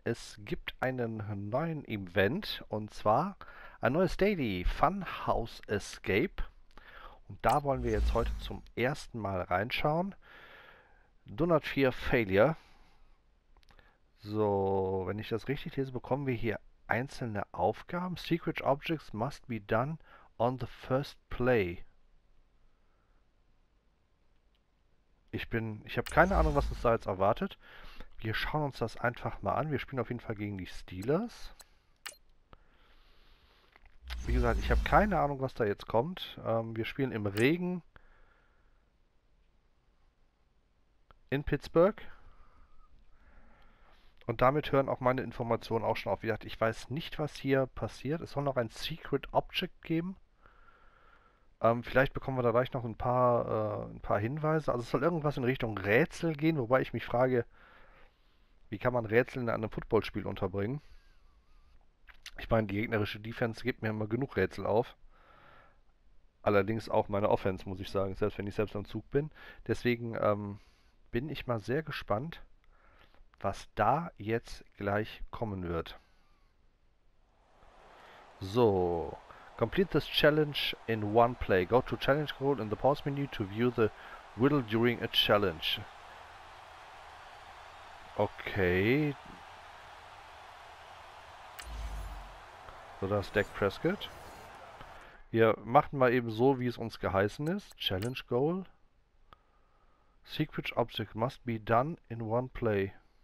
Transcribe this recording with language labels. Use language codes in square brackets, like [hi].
[de] Es gibt einen neuen Event und zwar ein neues Daily Funhouse Escape. Und da wollen wir jetzt heute zum ersten Mal reinschauen. [en] Do not fear failure. [de] So, wenn ich das richtig lese, bekommen wir hier einzelne Aufgaben. [en] Secret Objects must be done on the first play. [de] Ich habe keine Ahnung, was uns da jetzt erwartet. Wir schauen uns das einfach mal an. Wir spielen auf jeden Fall gegen die Steelers. Wie gesagt, ich habe keine Ahnung, was da jetzt kommt. Wir spielen im Regen in Pittsburgh. Und damit hören auch meine Informationen auch schon auf. Wie gesagt, ich weiß nicht, was hier passiert. Es soll noch ein Secret Object geben. Vielleicht bekommen wir da gleich noch ein paar Hinweise. Also es soll irgendwas in Richtung Rätsel gehen, wobei ich mich frage, wie kann man Rätsel in einem Footballspiel unterbringen? Ich meine, die gegnerische Defense gibt mir immer genug Rätsel auf. Allerdings auch meine Offense, muss ich sagen, selbst wenn ich selbst am Zug bin. Deswegen bin ich mal sehr gespannt, was da jetzt gleich kommen wird. So. [en] Complete this challenge in one play. Go to challenge control in the pause menu to view the riddle during a challenge. Okay. [de] So, da ist Dak Prescott. Wir machen mal eben so, wie es uns geheißen ist. [en] Challenge goal. Secret object must be done in one play.